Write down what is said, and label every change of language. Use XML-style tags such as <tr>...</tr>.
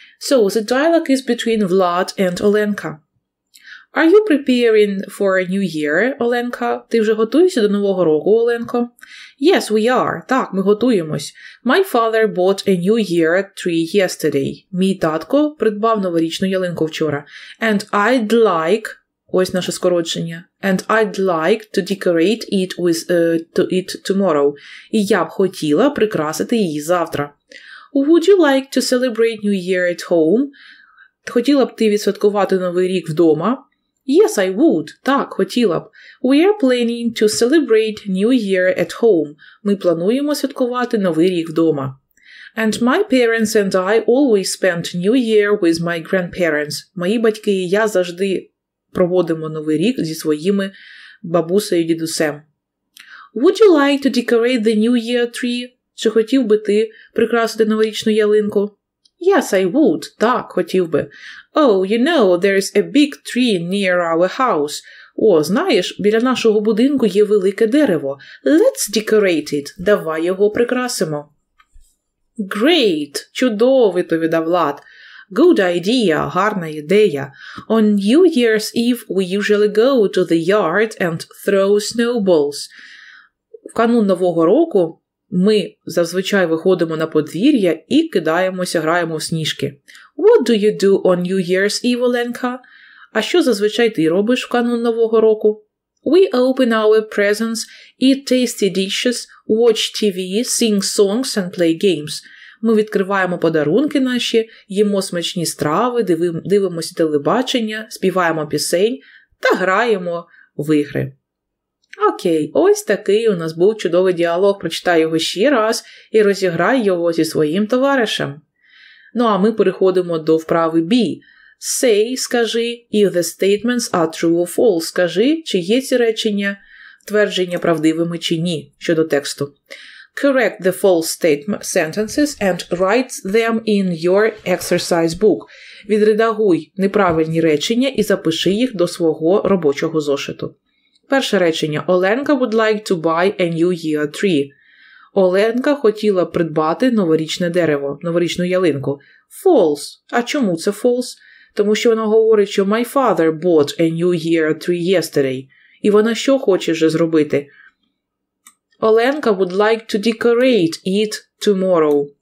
<en>So the dialogue is between Vlad and Olenka. Are you preparing for a new year, Оленка?</en> <uk>Ти вже готуєшся до нового року, Оленко?</uk> <en>Yes, we are.</en> <uk>Так, ми готуємось.</uk> <en>My father bought a new year tree yesterday.</en> <uk>Мій татко придбав новорічну ялинку вчора.</uk> <en>And I'd like,</en> <uk>ось наше скорочення,</uk> <en>and I'd like to decorate it with it tomorrow.</en> <uk>І я б хотіла прикрасити її завтра.</uk> <en>Would you like to celebrate new year at home?</en> <uk>Хотіла б ти відсвяткувати новий рік вдома?</uk> <en>Yes, I would.</en> <uk>Так, хотіла б.</uk> <en>We are planning to celebrate New Year at home.</en> <uk>Ми плануємо святкувати Новий рік вдома.</uk> <en>And my parents and I always spend New Year with my grandparents.</en> <uk>Мої батьки і я завжди проводимо Новий рік зі своїми бабусею і дідусем.</uk> <en>Would you like to decorate the New Year tree?</en> <uk>Чи хотів би ти прикрасити новорічну ялинку?</uk> <en>Yes, I would.</en> <uk>Так, хотів би.</uk> <en>Oh, you know, there is a big tree near our house.</en> <uk>О, знаєш, біля нашого будинку є велике дерево.</uk> <en>Let's decorate it.</en> <uk>Давай його прикрасимо.</uk> <en>Great.</en> <uk>Чудово, відповідав Влад.</uk> <en>Good idea.</en> <uk>Гарна ідея.</uk> <en>On New Year's Eve we usually go to the yard and throw snowballs.</en> <uk>В канун Нового року ми зазвичай виходимо на подвір'я і кидаємося, граємо в сніжки.</uk> <en>What do you do on New Year's Eve, Оленка?</en> <uk>А що зазвичай ти робиш в канун Нового року?</uk> <en>We open our presents, eat tasty dishes, watch TV, sing songs and play games.</en> <uk>Ми відкриваємо подарунки наші, їмо смачні страви, дивимося телебачення, співаємо пісень та граємо в ігри. Окей, ось такий у нас був чудовий діалог. Прочитай його ще раз і розіграй його зі своїм товаришем. Ну, а ми переходимо до вправи B.</uk> <en>Say,</en> <uk>скажи,</uk> <en>if the statements are true or false.</en> <uk>Скажи, чи є ці речення, твердження правдивими чи ні щодо тексту.</uk> <en>Correct the false statement sentences and write them in your exercise book.</en> <uk>Відредагуй неправильні речення і запиши їх до свого робочого зошиту. Перше речення.</uk> <en>Оленка would like to buy a new year tree.</en> <uk>Оленка хотіла придбати новорічне дерево, новорічну ялинку.</uk> <en>False.</en> <uk>А чому це</uk> <en>false?</en> <uk>Тому що вона говорить, що</uk> <en>my father bought a new year tree yesterday.</en> <uk>І вона що хоче вже зробити?</uk> <en>Оленка would like to decorate it tomorrow.</en>